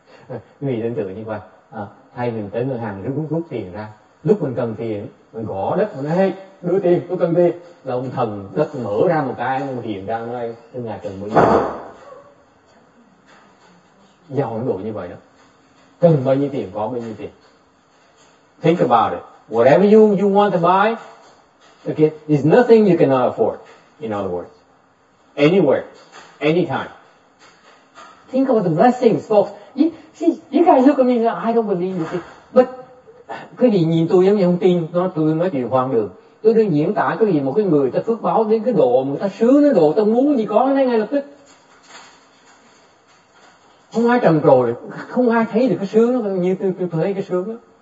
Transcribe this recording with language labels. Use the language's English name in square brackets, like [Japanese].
[Vietnamese] Quý vị tưởng tượng như vậy, thay mình tới ngân hàng rút rút tiền ra, lúc mình cần tiền mình gõ đất, mình nói hey, đưa tiền, tôi cần tiền, là ông thần đất mở ra một cái, ông hiện ra ngay, tôi ngài cần bao nhiêu, giàu đến độ như vậy đó, cần bao nhiêu tiền có bao nhiêu tiền. [English] Think about it, whatever you want to buy, okay, there's nothing you cannot afford, in other words, anywhere, anytime. Think about the blessings, folks. You guys look at me, I don't believe you. [Vietnamese] But quý vị nhìn tôi giống như không tin, tôi nói chuyện hoang đường. Tôi đang diễn tả cái gì một cái người ta phước báo đến cái độ mà ta sướng đến độ ta muốn gì có nó ngay lập tức. Không ai trần trồ được, không ai thấy được cái sướng đó, như tôi thấy cái sướng đó.